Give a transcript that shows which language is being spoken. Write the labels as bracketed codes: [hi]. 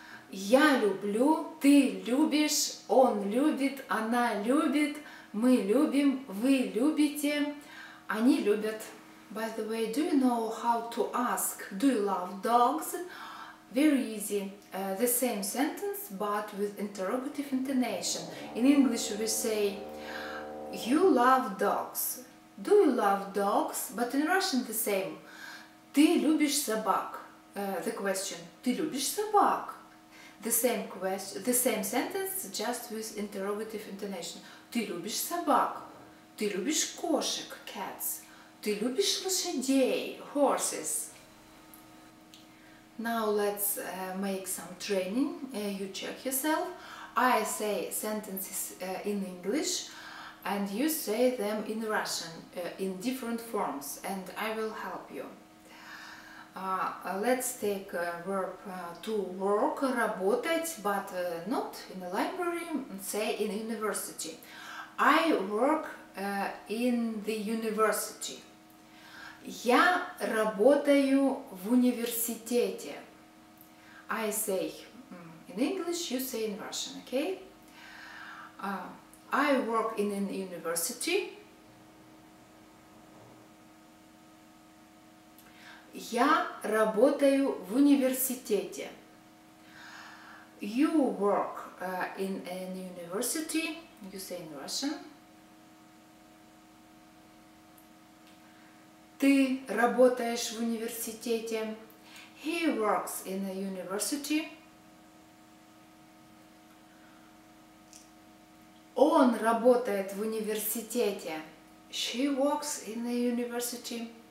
[ru] Я люблю, ты любишь, он любит, она любит, мы любим, вы любите, они любят. [en] By the way, do you know how to ask, do you love dogs? Very easy. The same sentence, but with interrogative intonation. In English, we say, you love dogs. Do you love dogs? But in Russian the same. [ru] Ты любишь собак? [en] The question. Ты любишь собак? the same sentence, just with interrogative intonation. [ru] Ты любишь собак? Ты любишь кошек? Cats. Ты любишь лошадей? [en] Horses. Now let's make some training. You check yourself. I say sentences in English and you say them in Russian in different forms, and I will help you. Let's take a verb to work, работать, but not in the library, say in university. I work in the university. [ru] Я работаю в университете. [en] I say in English, you say in Russian, okay? I work in a university. [ru] Я работаю в университете. [en] You work in a university, you say in Russian. [ru] Ты работаешь в университете. [en] He works in a university. [ru] Он работает в университете. [en] She works in a university.